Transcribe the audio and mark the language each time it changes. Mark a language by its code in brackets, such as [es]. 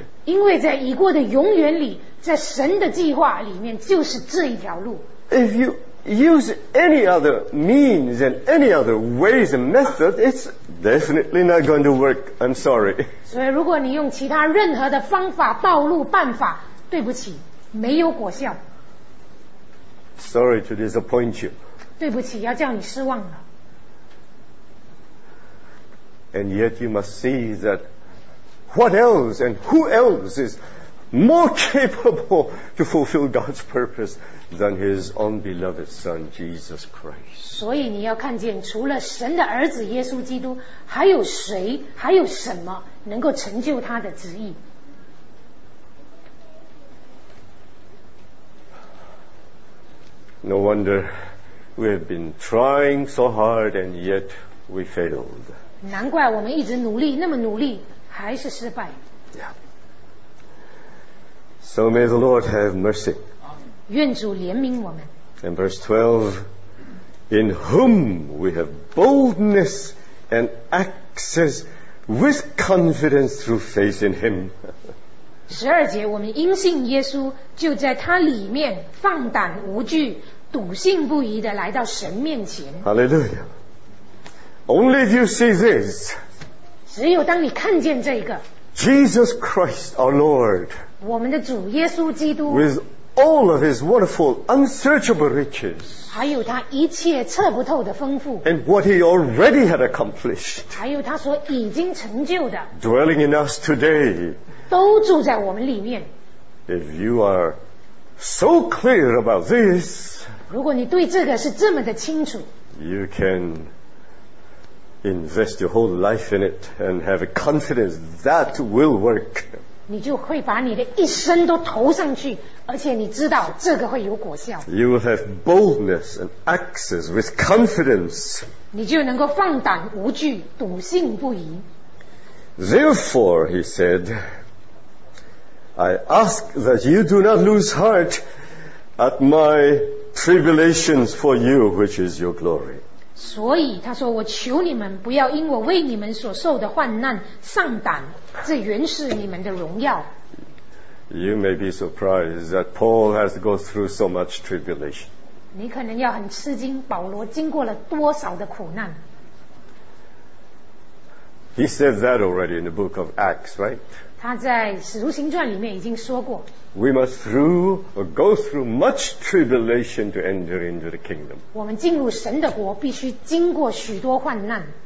[zh] 因为在已过的永远里，在神的计划里面，就是这一条路。 [en] If you use any other means and any other ways and methods, it's definitely not going to work. I'm sorry. [zh] 所以如果你用其他任何的方法、道路、办法，对不起。没有果效。 [en] Sorry to disappoint you. [zh] 对不起，要叫你失望了。 [en] And yet you must see that what else and who else is more capable to fulfill God's purpose than His own beloved Son Jesus Christ. [zh] 所以你要看见，除了神的儿子耶稣基督，还有谁，还有什么能够成就他的旨意？ [en] No wonder we have been trying so hard and yet we failed. [zh] 难怪我们一直努力，那么努力，还是失败。 [en] So may the Lord have mercy. [zh] 愿主怜悯我们。 [en] And verse 12, in whom we have boldness and access with confidence through faith in him. [zh] 十二节，我们因信耶稣，就在他里面放胆无惧。笃信不疑地来到神面前。 [en] Hallelujah. Only if you see this. [zh] 只有当你看见这个。 [en] Jesus Christ, our Lord. [zh] 我们的主耶稣基督。 [en] With all of his wonderful, unsearchable riches. [zh] 还有他一切测不透的丰富。 [en] And what he already had accomplished. [zh] 还有他所已经成就的。 [en] Dwelling in us today. [zh] 都住在我们里面。 [en] If you are so clear about this, [zh] 如果你对这个是这么的清楚， [en] you can invest your whole life in it and have a confidence that will work. [zh] 你就会把你的一生都投上去，而且你知道这个会有果效。 [en] You will have boldness and access with confidence. [zh] 你就能够放胆无惧，笃信不疑。 [en] Therefore, he said,I ask that you do not lose heart at my tribulations for you, which is your glory. [zh] 所以他说，我求你们不要因我为你们所受的患难丧胆，这原是你们的荣耀。 [en] You may be surprised that Paul has to go through so much tribulation. [zh] 你可能要很吃惊，保罗经过了多少的苦难。 [en] He said that already in the book of Acts, right? [zh] 他在《使徒行传》里面已经说过 [en] ，We must through or go through much tribulation to enter into the kingdom. [zh] 我们进入神的国必须经过许多患难。